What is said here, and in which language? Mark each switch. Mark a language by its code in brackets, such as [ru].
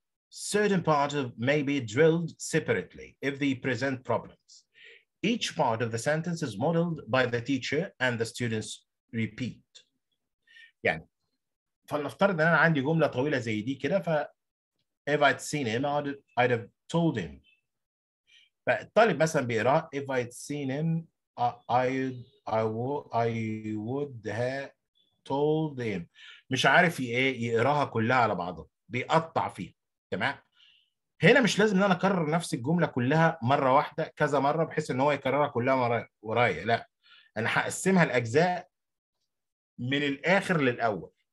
[en] certain parts of may be drilled separately if they present problems each part of the sentence is modeled by the teacher and the students repeat [ar] يعني فلنفترض ان انا عندي جمله طويله زي دي كده [en] ف If I'd seen him, I'd have told him. [ar] فالطالب مثلا بيقرأ [en] If I'd seen him, I would have told him. [ar] مش عارف ايه يقراها كلها على بعضها. بيقطع فيها. تمام؟ هنا مش لازم ان انا اكرر نفس الجملة كلها مرة واحدة كذا مرة بحيث ان هو يكررها كلها ورايا. لا. انا هقسمها لأجزاء من الآخر للأول.